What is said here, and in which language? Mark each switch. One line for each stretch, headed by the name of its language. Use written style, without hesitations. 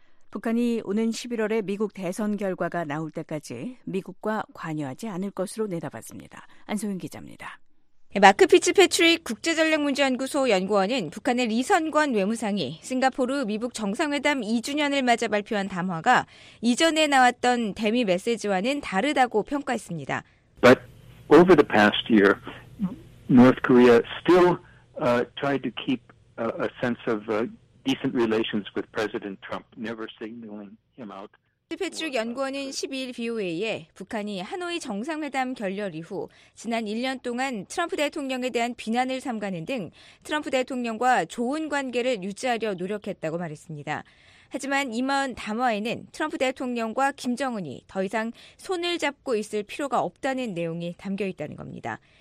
Korean: 북한이 오는 11월에 미국 대선 결과가 나올 때까지 미국과 관여하지 않을 것으로 내다봤습니다. 안소윤 기자입니다. 마크 피츠패트릭 국제전략문제연구소 연구원은 북한의 리선관 외무상이 싱가포르 미북 정상회담 2주년을 맞아 발표한 담화가 이전에 나왔던 대미 메시지와는 다르다고 평가했습니다.
English: But over the past year, North Korea still tried to keep a sense of decent relations with President Trump, never signaling him out.
Korean: 패트릭 연구원은 12일 VOA에 북한이 하노이 정상회담 결렬 이후 지난 1년 동안 트럼프 대통령에 대한 비난을 삼가는 등 트럼프 대통령과 좋은 관계를 유지하려 노력했다고 말했습니다. 하지만 이번 담화에는 트럼프 대통령과 김정은이 더 이상 손을 잡고 있을 필요가 없다는 내용이 담겨 있다는 겁니다.